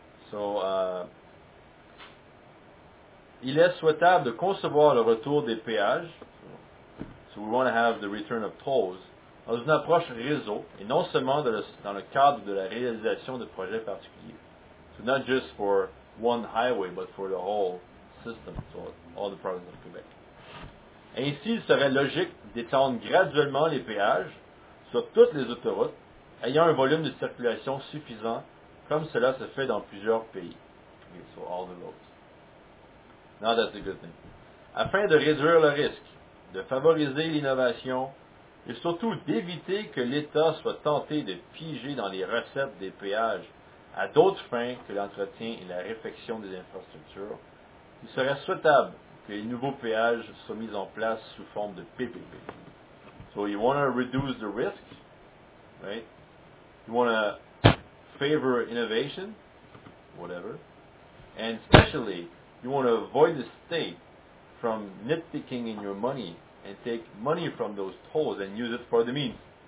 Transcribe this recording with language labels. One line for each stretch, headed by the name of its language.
French: So, il est souhaitable de concevoir le retour des péages.
English: So we want to have the return of tolls
French: dans une approche réseau et non seulement dans le cadre de la réalisation de projets particuliers.
English: So not just for one highway, but for the whole system, so all the provinces of Quebec.
French: Ainsi, il serait logique d'étendre graduellement les péages sur toutes les autoroutes ayant un volume de circulation suffisant comme cela se fait dans plusieurs pays.
English: Okay, so all the roads. Now that's a good thing.
French: Afin de réduire le risque, de favoriser l'innovation et surtout d'éviter que l'État soit tenté de piger dans les recettes des péages à d'autres fins que l'entretien et la réfection des infrastructures, il serait souhaitable que les nouveaux péages soient mis en place sous forme de PPP.
English: So you want to reduce the risk, right? You want to favor innovation, whatever. And especially, you want to avoid the state from nitpicking in your money and take money from those tolls and use it for the means.